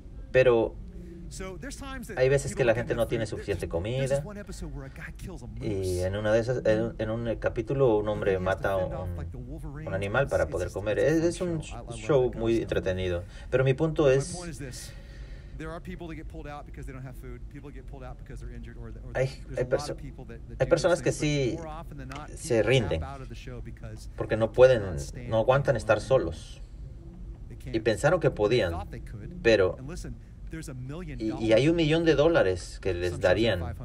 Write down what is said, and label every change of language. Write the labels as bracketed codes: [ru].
[es] Pero hay veces que la gente no tiene suficiente comida, y en un capítulo un hombre mata un animal para poder comer. Es un show muy entretenido. Pero mi punto es, [en] There are people that get pulled out because they don't have food. People get pulled out because they're injured, or [es] hay personas que sí se rinden porque no pueden, no aguantan estar solos. Y pensaron que podían, pero y hay $1,000,000 que les darían.